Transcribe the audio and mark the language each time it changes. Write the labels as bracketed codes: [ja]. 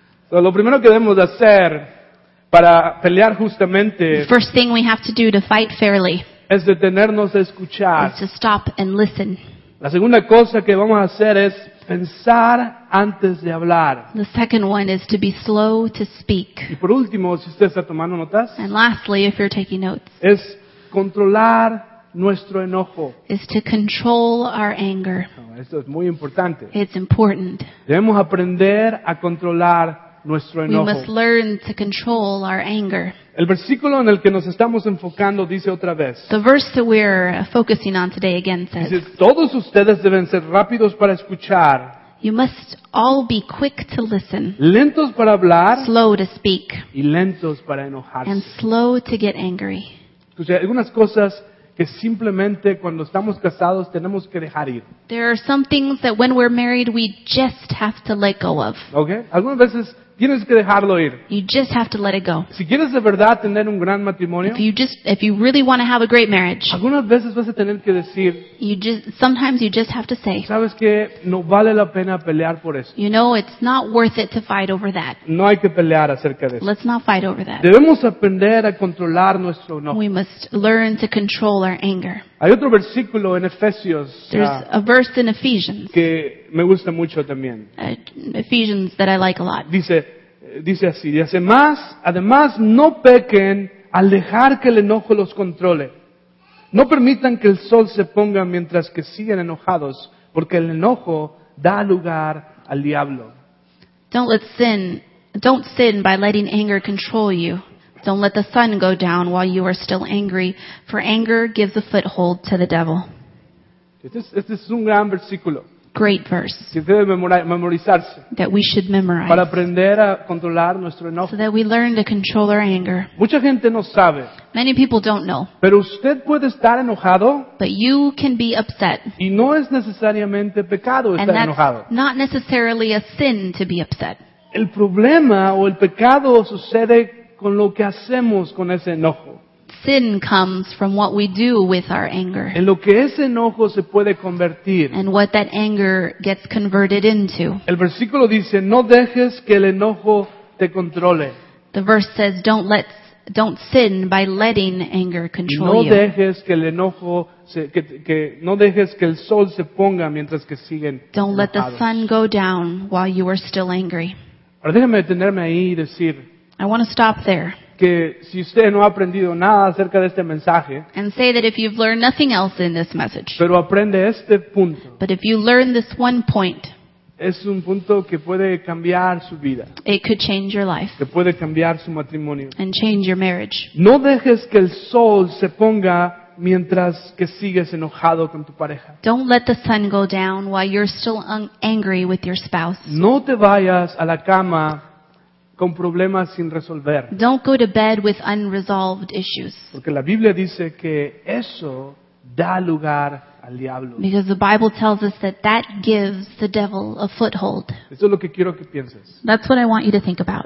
[es] So, lo primero que debemos hacer para pelear justamente, [en] first thing we have to do to fight fairly [es] es detenernos a escuchar. [en] Is to stop and listen. [es] La segunda cosa que vamos a hacer es pensar antes de hablar. [en] The second one is to be slow to speak. [es] Y por último, si usted está tomando notas, [en] and lastly, if you're taking notes, [es] es controlar nuestro enojo. [en] Is to control our anger. [es] No, esto es muy importante. [en] It's important. [es] Debemos aprender a controlar nuestro enojo. [en] We must learn to control our anger. [es] El versículo en el que nos estamos enfocando dice otra vez. [en] The verse that we're focusing on today again says. [es] Dice, todos ustedes deben ser rápidos para escuchar. [en] You must all be quick to listen. [es] Lentos para hablar. [en] Slow to speak. [es] Y lentos para enojarse. [en] And slow to get angry. [es] Entonces, algunas cosas que simplemente cuando estamos casados tenemos que dejar ir. [en] There are some things that when we're married we just have to let go of. [es] Okay. Algunas veces tienes que dejarlo ir. [en] You just have to let it go. [es] Si quieres de verdad tener un gran matrimonio, [en] if you really want to have a great marriage, [es] algunas veces vas a tener que decir, [en] sometimes you just have to say, [es] sabes que no vale la pena pelear por eso. [en] You know, it's not worth it to fight over that. [es] No hay que pelear acerca de eso. [en] Let's not fight over that. [es] Debemos aprender a controlar nuestro enojo. [en] We must learn to control our anger. [es] Hay otro versículo en Efesios. [en] There's a verse in Ephesians. [es] Que me gusta mucho también. [en] Ephesians that I like a lot. [es] Dice así. Dice más, además no pequen al dejar que el enojo los controle. No permitan que el sol se ponga mientras que siguen enojados, porque el enojo da lugar al diablo. [en] Don't sin by letting anger control you. Don't let the sun go down while you are still angry, for anger gives a foothold to the devil. [es] Este es un gran versículo. [en] great verse. [es] Que debe memorizarse. [en] That we should memorize. [es] Para aprender a controlar nuestro enojo. [en] So that we learn to control our anger. [es] Mucha gente no sabe. [en] Many people don't know. [es] Pero usted puede estar enojado. [en] But you can be upset. [es] Y no es necesariamente pecado estar enojado. [en] And that's not necessarily a sin to be upset. [es] El problema o el pecado sucede con lo que hacemos con ese enojo. [en] Sin comes from what we do with our anger. [es] En lo que ese enojo se puede convertir. [en] And what that anger gets converted into. [es] El versículo dice, no dejes que el enojo te controle. [en] The verse says, don't sin by letting anger control you. [es] No dejes que el enojo no dejes que el sol se ponga mientras que siguen enojados. [en] Don't let the sun go down while you are still angry. [es] Pero déjame detenerme ahí y decir, [en] I want to stop there. [es] Que si usted no ha aprendido nada acerca de este mensaje, [en] and say that if you've learned nothing else in this message, [es] pero aprende este punto, [en] but if you learn this one point, [es] es un punto que puede cambiar su vida, [en] it could change your life, [es] que puede cambiar su matrimonio, [en] and change your marriage. [es] No dejes que el sol se ponga mientras que sigues enojado con tu pareja. [en] Don't let the sun go down while you're still angry with your spouse. [es] No te vayas a la cama con problemas sin resolver. [en] Don't go to bed with unresolved issues. [es] Porque la Biblia dice que eso da lugar al diablo. [en] Because the Bible tells us that that gives the devil a foothold. [es] Eso es lo que quiero que pienses. [en] That's what I want you to think about.